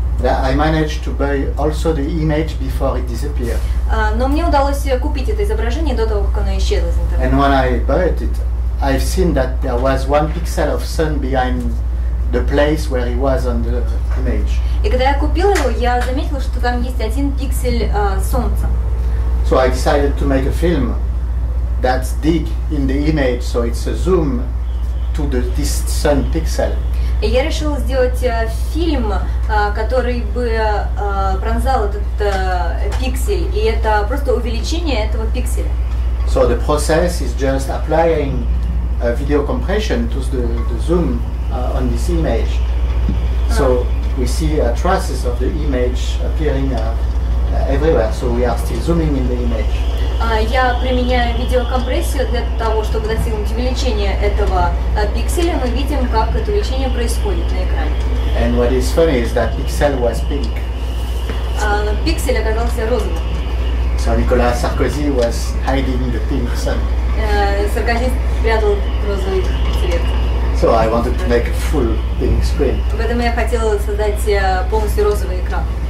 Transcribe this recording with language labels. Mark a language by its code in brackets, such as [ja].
[en] I managed to buy also the image before it disappeared. [ru] Но мне удалось купить это изображение до того, как оно исчезло из интернета. [en] And when I bought it, I've seen that there was one pixel of sun behind the place where he was on the image. [ru] И когда я купил его, я заметил, что там есть один пиксель солнца. [en] So I decided to make a film that's deep in the image, so it's a zoom to this sun pixel. [ru] И я решил сделать фильм, который бы пронзал этот пиксель, и это просто увеличение этого пикселя. [en] So the process is just applying a video compression to the zoom on this image. So we see traces of the image appearing everywhere, so we are still zooming in the image. [ru] Я применяю видеокомпрессию для того, чтобы достигнуть увеличения этого пикселя. Мы видим, как это увеличение происходит на экране. [en] And what is funny is that pixel was pink. [ru] Пиксель оказался розовым. [en] So Nicolas Sarkozy was hiding the pink sun. [ru] Саркози спрятал розовый цвет. [en] So I wanted to make a full pink screen. [ru] Поэтому я хотела создать полностью розовый экран.